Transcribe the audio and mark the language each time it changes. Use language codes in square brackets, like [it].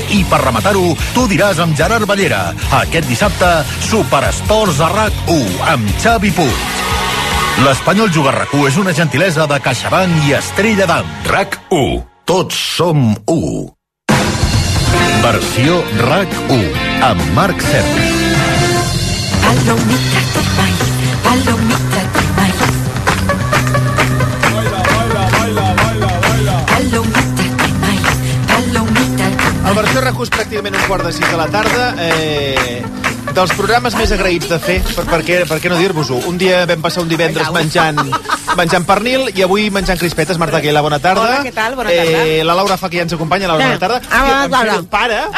[ca] I per rematar-ho, tu diràs amb Gerard Ballera. Aquest dissabte, Superesports a RAC 1, amb Xavi Puig. L'Espanyol juga a RAC 1 és una gentilesa de CaixaBank i Estrella d'Am. RAC 1. Tots som 1. Versió RAC 1 amb Marc Serra. [es] Palomita de maíz, palomita de maíz. Baila, baila, baila, baila, baila. Palomita de maíz, palomita de maíz. [ca] A versió RAC 1 és pràcticament 4:15 de la tarda. Dels programes més agraïts de fer, per què no dir-vos-ho? Un dia vam passar un divendres menjant pernil i avui menjant crispetes. Marta Aguilar, bona tarda. Hola, què tal? Bona tarda. La Laura fa que ja ens acompanya, Laura, bona tarda. Ah, va, Laura.